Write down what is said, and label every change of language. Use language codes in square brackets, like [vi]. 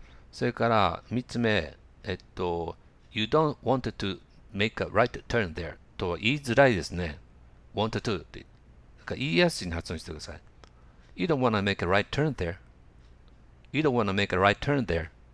[en] それから三つ目、You don't want to make a right turn there. [ja] とは言いづらいですね。 want to って。だから言いやすいに発音してください。 [en] You don't want to make a right turn there. You don't want to make a right turn there.